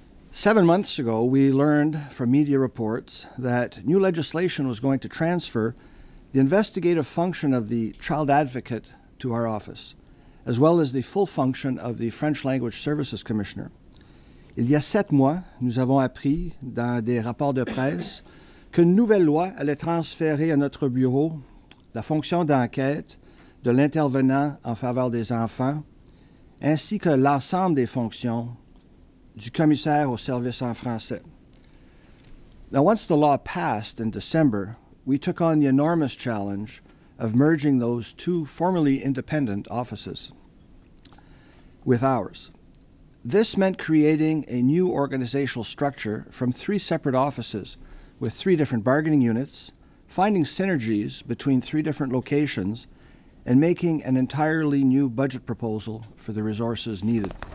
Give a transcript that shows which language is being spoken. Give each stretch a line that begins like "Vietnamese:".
English: 7 months ago, we learned from media reports that new legislation was going to transfer the investigative function of the child advocate to our office, as well as the full function of the French Language Services Commissioner.
French: Il y a 7 mois, nous avons appris dans des rapports de presse qu'une nouvelle loi allait transférer à notre bureau la fonction d'enquête de l'intervenant en faveur des enfants, ainsi que l'ensemble des fonctions du commissaire au service en français.
English: Now, once the law passed in December, we took on the enormous challenge of merging those two formerly independent offices with ours. This meant creating a new organizational structure from three separate offices with three different bargaining units, finding synergies between three different locations, and making an entirely new budget proposal for the resources needed.